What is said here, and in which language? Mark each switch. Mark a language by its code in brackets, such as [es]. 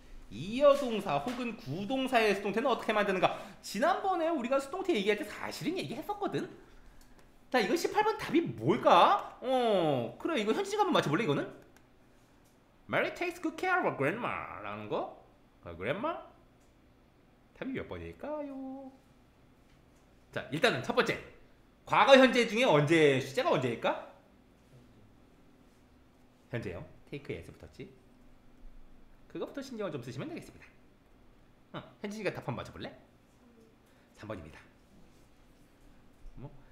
[ko] 이어동사 혹은 구동사의 수동태는 어떻게 만드는가? 지난번에 우리가 수동태 얘기할 때 사실은 얘기했었거든. 자, 이거 18번 답이 뭘까? 그래, 이거 현지식 한번 맞춰볼래 이거는? [en] Mary takes good care of her grandma [ko] 라는 거? [en] Grandma? [ko] 답이 몇 번일까요? 자, 일단은 첫 번째. 과거 현재 중에 언제 시제가 언제일까? 현재요. 테이크 에스 붙었지. 그것부터 신경을 좀 쓰시면 되겠습니다. 현진이가 답 한번 맞춰볼래? 3번입니다. 뭐?